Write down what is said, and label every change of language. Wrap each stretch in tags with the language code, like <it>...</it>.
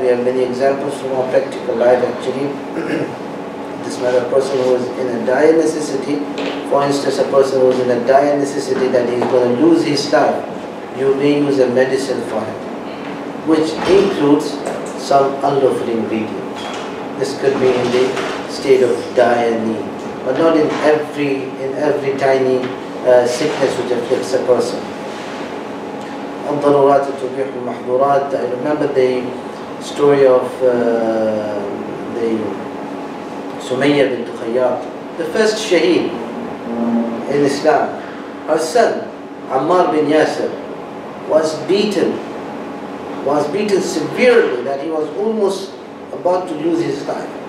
<en>We have many examples from our practical life actually. This man, a person who is in a dire necessity, for instance, a person who is in a dire necessity that he is going to lose his life, you may use a medicine for him, which includes some unlawful ingredient. This could be in the state of dire need, but not in every tiny sickness which afflicts a person.</en> <ar>الضرورات تبيح المحظورات.</ar> <en>I remember the story of the Sumayya bint Khayyat, the first shaheed in Islam. Her son, Ammar bin Yasir, was beaten severely, that he was almost about to lose his life.</en>